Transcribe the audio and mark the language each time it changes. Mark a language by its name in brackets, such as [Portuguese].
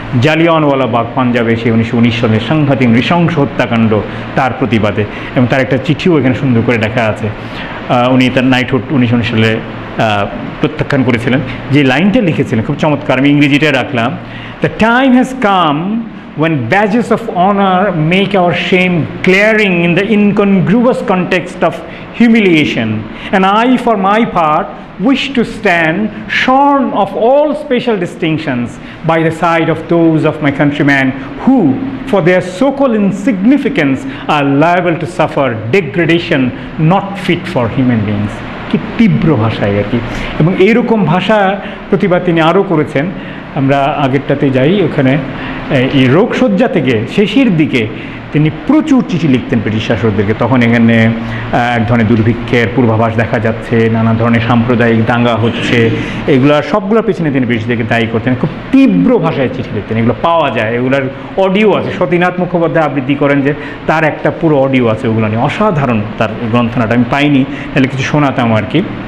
[Bangla] Jallianwala bug পাঞ্জাবে সে 1919 সালে সাংঘাতিক নৃশংস হত্যাকাণ্ড তার প্রতিবাদে, এবং তার একটা চিঠিও এখানে সুন্দর করে লেখা আছে, উনি তার নাইটহুড 1919 সালে প্রত্যাখ্যান করেছিলেন, যে লাইনটা লিখেছিলেন খুব চমৎকার, আমি ইংরেজিটা রাখলাম। [English] The time has come when badges of honor make our shame glaring in the incongruous context of humiliation, and I, for my part, wish to stand shorn of all special distinctions by the side of those of my countrymen who, for their so-called insignificance, are liable to suffer degradation not fit for human beings. [Bangla] কি তীব্র ভাষায় আর কি, এবং এইরকম ভাষা প্রতিবাদ তিনি আরও করেছেন। আমরা আগেরটাতে যাই, ওখানে এই রোগশয্যা থেকে শেষের দিকে তিনি প্রচুর চিঠি লিখতেন ব্রিটিশ শাসকদেরকে, তখন এখানে এক ধরনের দুর্ভিক্ষের পূর্বাভাস দেখা যাচ্ছে, নানা ধরনের সাম্প্রদায়িক দাঙ্গা হচ্ছে, এগুলোর সবগুলোর পিছনে তিনি ব্রিটিশদেরকে দায়ী করতেন, খুব তীব্র ভাষায় চিঠি লিখতেন, এগুলো পাওয়া যায়, এগুলোর অডিও আছে, সতীনাথ মুখোপাধ্যায় আবৃত্তি করেন যে তার একটা পুরো অডিও আছে ওগুলো নিয়ে, অসাধারণ তার গ্রন্থনাটা আমি পাইনি, তাহলে কিছু শোনাতাম আর কি।